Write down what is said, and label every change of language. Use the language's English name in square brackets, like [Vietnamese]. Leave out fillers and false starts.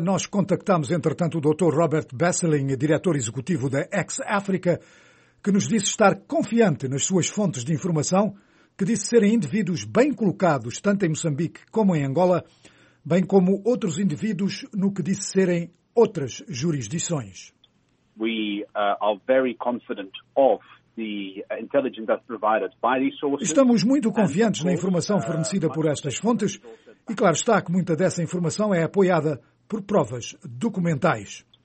[Portuguese] Nós contactamos, entretanto, o Dr. Robert Besseling, diretor executivo da Ex-África, que nos disse estar confiante nas suas fontes de informação, que disse serem indivíduos bem colocados, tanto em Moçambique como em Angola, bem como outros indivíduos no que disse serem outras jurisdições. [English] We are very confident of the intelligence that's provided by these sources. [Portuguese] Estamos muito confiantes na informação fornecida por estas fontes e claro está que muita dessa informação é apoiada por provas documentais.